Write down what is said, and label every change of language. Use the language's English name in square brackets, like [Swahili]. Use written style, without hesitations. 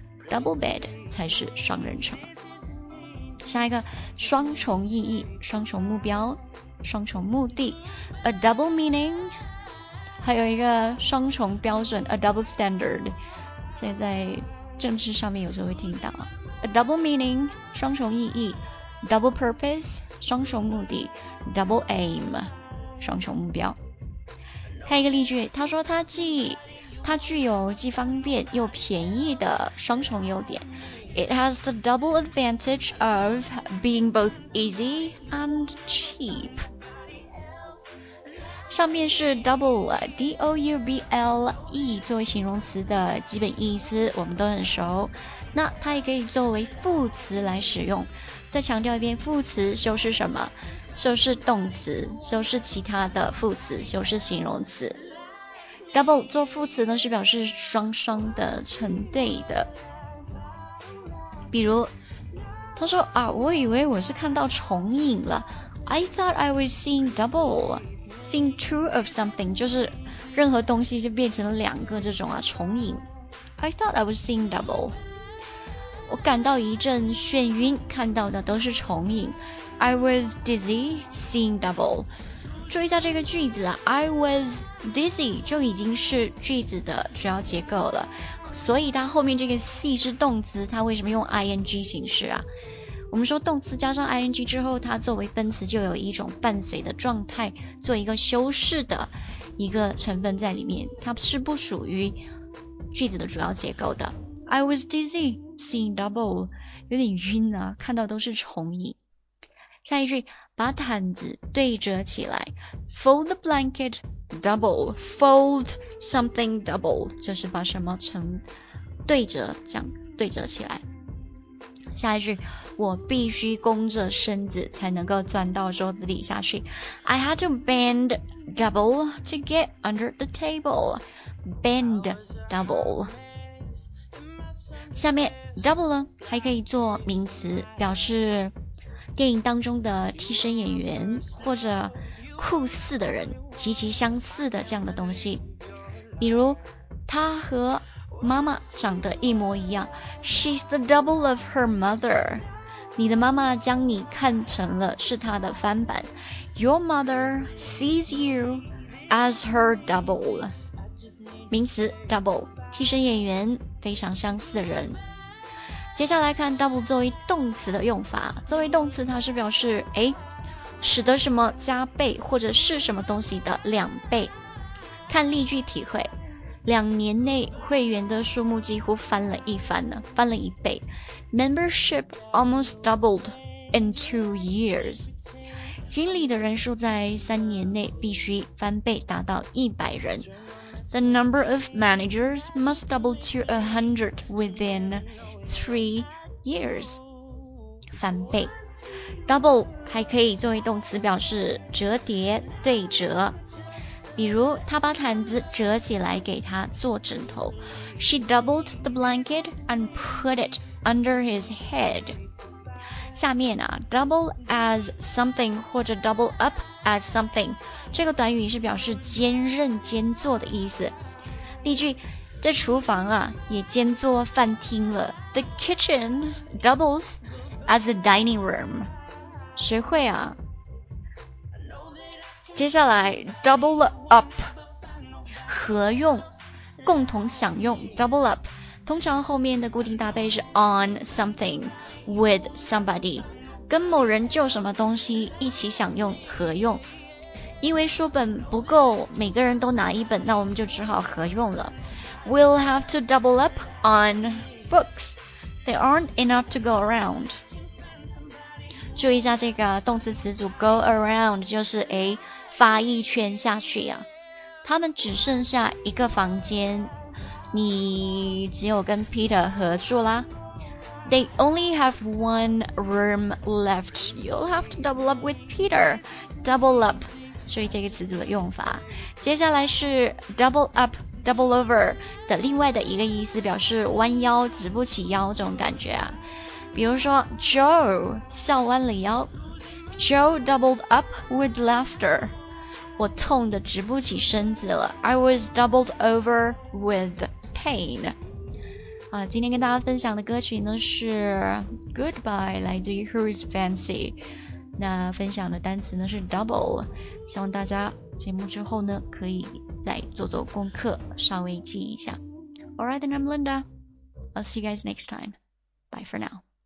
[Chinese] double bed 才是双人床。下一个，双重意义，双重目标，双重目的， [English] a double meaning， [Chinese] 还有一个双重标准， [English] a double standard， [Chinese] 所以在政治上面有时候会听到 a double meaning， 双重意义， double purpose， 双重目的， double aim， 双重目标。还有一个例句，他说他具有既方便又便宜的双重优点。 [English] It has the double advantage of being both easy and cheap. [Chinese] 上面是 double, D-O-U-B-L-E 作为形容词的基本意思，我们都很熟。那它也可以作为副词来使用。再强调一遍，副词修饰什么？修饰动词，修饰其他的副词，修饰形容词。 Double 做副词呢，是表示双双的、成对的。比如，他说啊，我以为我是看到重影了。 [English] I thought I was seeing double, seeing two of something, [Chinese] 就是任何东西就变成了两个这种啊，重影。 [English] I thought I was seeing double. [Chinese] 我感到一阵眩晕，看到的都是重影。 [English] I was dizzy, seeing double. [Chinese] 注意一下这个句子啊， [English] I was dizzy [Chinese] 就已经是句子的主要结构了，所以它后面这个 see 是动词，它为什么用 ing 形式啊？我们说动词加上 ing 之后，它作为分词就有一种伴随的状态，做一个修饰的一个成分在里面，它是不属于句子的主要结构的。 [English] I was dizzy seeing double， [Chinese] 有点晕啊，看到都是重影。下一句，把毯子对折起来， [English] fold the blanket double, fold something double, [Chinese] 就是把什么成对折，这样对折起来。下一句，我必须弓着身子才能够钻到桌子底下去， [English] I had to bend double to get under the table, bend double。 [Chinese] 下面 double 呢，还可以做名词，表示电影当中的替身演员或者酷似的人，极其相似的这样的东西。比如他和妈妈长得一模一样， [English] She's the double of her mother. [Chinese] 你的妈妈将你看成了是她的翻版， [English] Your mother sees you as her double. [Chinese] 名词 double， 替身演员，非常相似的人。接下来看 double 作为动词的用法，作为动词它是表示诶，使得什么加倍或者是什么东西的两倍。看例句体会，两年内会员的数目几乎翻了一番呢，翻了一倍。 [English] Membership almost doubled in 2 years. [Chinese] 经理的人数在三年内必须翻倍达到100人。 [English] The number of managers must double to 100 within 3 years, [Chinese] 翻倍。 Double 还可以作为动词表示折叠、对折。比如他把毯子折起来给他做枕头， [English] She doubled the blanket and put it under his head. [Chinese] 下面啊， double as something 或者 double up as something， 这个短语是表示兼任、兼做的意思。例句，这厨房啊也兼做饭厅了， [English] The kitchen doubles as a dining room. [Chinese] 学会啊。接下来 double up 合用，共同享用。 double up 通常后面的固定搭配是 on something with somebody， 跟某人就什么东西一起享用，合用。因为书本不够每个人都拿一本，那我们就只好合用了。 [English] We'll have to double up on books. They aren't enough to go around. [Chinese] 注意一下这个动词词组 go around， 就是诶，发一圈下去啊。他们只剩下一个房间，你只有跟 Peter 合住啦。 [English] They only have one room left. You'll have to double up with Peter. Double up. 注意这个词组的用法。 [Chinese] 接下来是 double up。Double over 的另外的一个意思，表示弯腰直不起腰这种感觉啊。比如说 [English] Joe [Chinese] 笑弯了腰， [English] Joe doubled up with laughter， [Chinese] 我痛得直不起身子了， [English] I was doubled over with pain。 [Chinese] 今天跟大家分享的歌曲呢是 Goodbye 来自于 Who's Fancy， 那分享的单词呢是 Double， 希望大家节目之后呢可以再做做功课，稍微记一下。 [English] Alright then, I'm Linda. I'll see you guys next time. Bye for now.